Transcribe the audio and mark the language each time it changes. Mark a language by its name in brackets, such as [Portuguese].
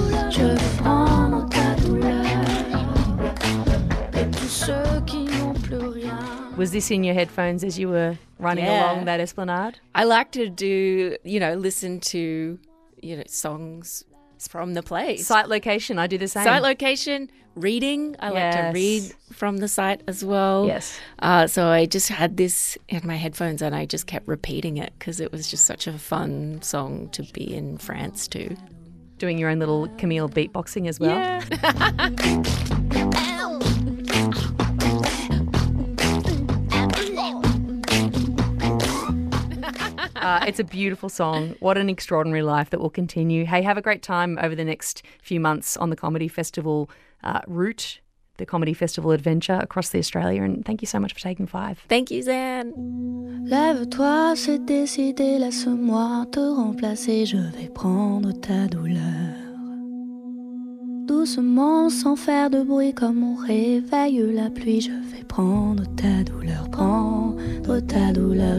[French] Je prends ta douleur et tous ceux qui n'ont plus rien. [English] Was this in your headphones as you were running along that esplanade? I like to do, listen to, songs from the place. Site location, I do the same. Site location, reading. I like to read from the site as well. Yes. So I just had this in my headphones and I just kept repeating it because it was just such a fun song to be in France to. Doing your own little Camille beatboxing as well. It's a beautiful song. What an extraordinary life that will continue. Hey, have a great time over the next few months on the Comedy Festival route, the Comedy Festival adventure across the Australia. And thank you so much for taking 5. Thank you, Zan. [French] Lève-toi, c'est décidé, laisse-moi te remplacer. Je vais prendre ta douleur. Doucement, sans faire de bruit, comme on réveille la pluie. Je vais prendre ta douleur, prendre ta douleur.